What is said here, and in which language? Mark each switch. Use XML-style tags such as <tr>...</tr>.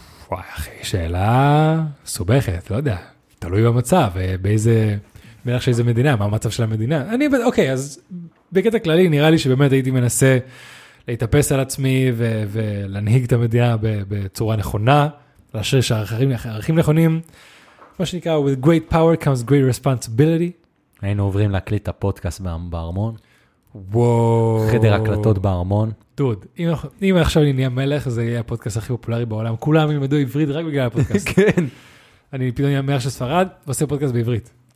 <he>וואי, אחי, שאלה סובכת, לא יודע. תלוי במצב, באיזה, מלך שאיזה מדינה, מה המצב של המדינה. אני, אוקיי, אז בקטע כללי נראה לי שבאמת הייתי מנסה להתאפס על עצמי ולהנהיג את המדינה בצורה נכונה, לאשר שערכים נכונים. מה שנקרא,</he> <en>with great power comes great responsibility.</en> <he>היינו עוברים להקליט את הפודקאסט בארמון. וואו. חדר הקלטות בארמון. דוד, אם עכשיו אני נהיה מלך, זה יהיה הפודקאסט הכי פופולרי בעולם. כולם ילמדו עברית רק בגלל הפודקאסט. כן. אני פתאום נהיה מלך של ספרד, ועושה פודקאסט בעברית.</he>